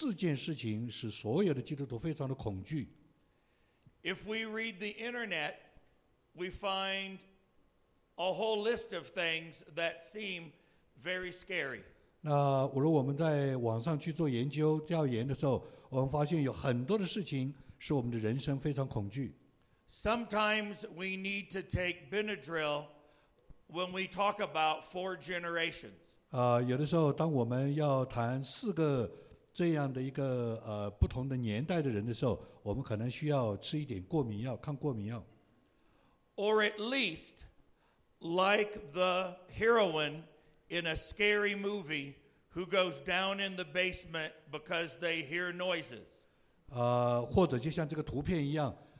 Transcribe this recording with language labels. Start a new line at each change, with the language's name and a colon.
Chinese: 那今天在我们教会的里面有四件事情使所有的基督徒非常的恐惧。
English: If we read the internet, we find a whole list of things that seem very scary.
Chinese: 那如果我们在网上去做研究调研的时候，我们发现有很多的事情使我们的人生非常恐惧。
English: Sometimes we need to take Benadryl when we talk about four generations.
Chinese: 有的时候，当我们要谈四个这样的一个不同的年代的人的时候，我们可能需要吃一点过敏药，抗过敏药。
English: Or at least, like the heroine in a scary movie who goes down in the basement because they hear noises.
Chinese: 或者就像这个图片一样。